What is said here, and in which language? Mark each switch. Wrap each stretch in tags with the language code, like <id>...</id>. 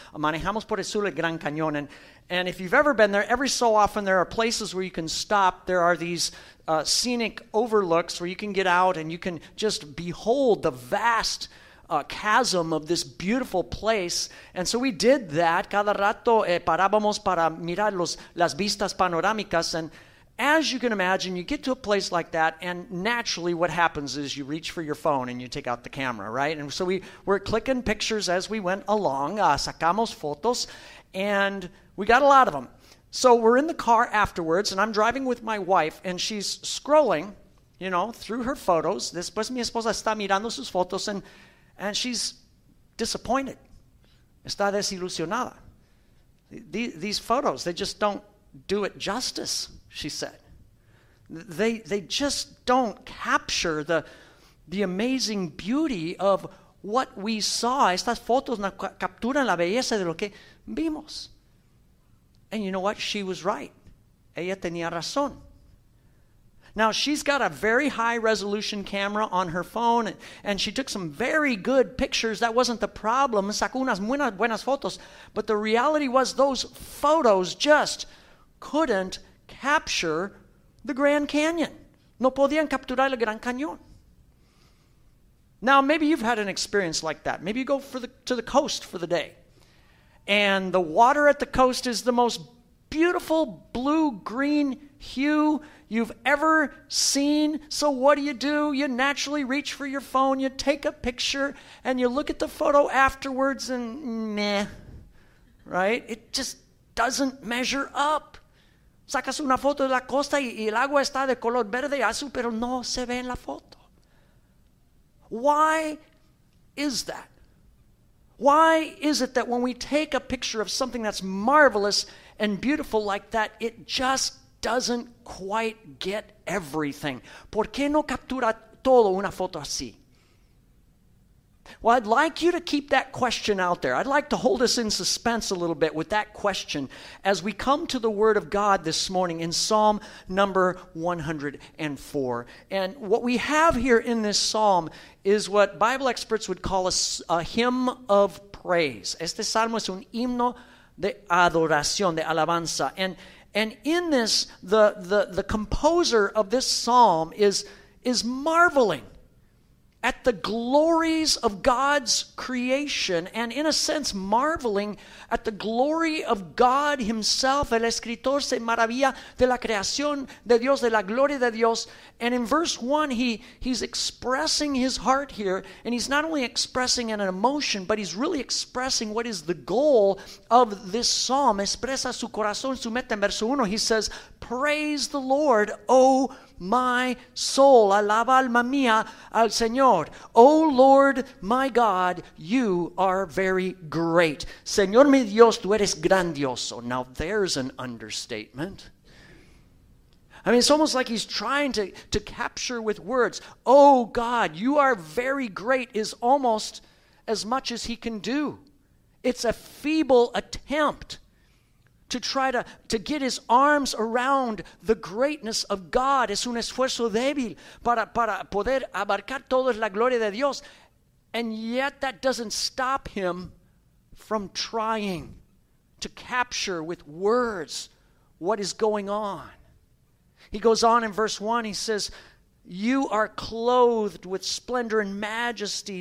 <es>Manejamos por el sur del Gran Cañón.</es> <en>And if you've ever been there, every so often there are places where you can stop. There are these scenic overlooks where you can get out and you can just behold the vast chasm of this beautiful place. And so we did that.</en> <es>Cada rato parábamos para mirar las vistas panorámicas.</es> <en>And as you can imagine, you get to a place like that, and naturally what happens is you reach for your phone and you take out the camera, right? And so we were clicking pictures as we went along.</en> <es>Sacamos fotos,</es> <en>and we got a lot of them. So we're in the car afterwards, and I'm driving with my wife, and she's scrolling, you know, through her photos.</en> <es>Después mi esposa está mirando sus fotos,</es> <en>and she's disappointed.</en> <es>Está desilusionada.</es> <en>These photos, they just don't do it justice, she said. They just don't capture the amazing beauty of what we saw.</en> <es>Estas fotos no capturan la belleza de lo que vimos.</es> <en>And you know what? She was right.</en> <es>Ella tenía razón.</es> <en>Now, she's got a very high-resolution camera on her phone, and she took some very good pictures. That wasn't the problem.</en> <es>Sacó unas buenas fotos.</es> <en>But the reality was those photos just couldn't capture the Grand Canyon.</en> <es>No podían capturar el Gran Cañón.</es> <en>Now, maybe you've had an experience like that. Maybe you go to the coast for the day, and the water at the coast is the most beautiful blue-green hue you've ever seen. So what do? You naturally reach for your phone, you take a picture, and you look at the photo afterwards, and meh, right? It just doesn't measure up.</en> <es>Sacas una foto de la costa y el agua está de color verde y azul, pero no se ve en la foto.</es> <en>Why is that? Why is it that when we take a picture of something that's marvelous and beautiful like that, it just doesn't quite get everything?</en> <es>¿Por qué no captura todo una foto así?</es> <en>Well, I'd like you to keep that question out there. I'd like to hold us in suspense a little bit with that question as we come to the Word of God this morning in Psalm number 104. And what we have here in this psalm is what Bible experts would call a hymn of praise.</en> <es>Este salmo es un himno de adoración, de alabanza.</es> <en>And in this, the composer of this psalm is marveling at the glories of God's creation and in a sense marveling at the glory of God himself.</en> <es>El escritor se maravilla de la creación de Dios, de la gloria de Dios.</es> <en>And in verse 1, he's expressing his heart here, and he's not only expressing an emotion, but he's really expressing what is the goal of this psalm.</en> <es>Expresa su corazón, su meta en verso 1.</es> <en>He says, praise the Lord, O my soul.</en> <es>Alaba alma mía al Señor.</es> <en>O Lord, my God, you are very great.</en> <es>Señor mi Dios, tú eres grandioso.</es> <en>Now there's an understatement. I mean, it's almost like he's trying to capture with words. Oh God, you are very great is almost as much as he can do. It's a feeble attempt to try to get his arms around the greatness of God.</en> <es>Es un esfuerzo débil para poder abarcar toda la gloria de Dios.</es> <en>And yet that doesn't stop him from trying to capture with words what is going on. He goes on in verse 1, he says, you are clothed with splendor and majesty.</en>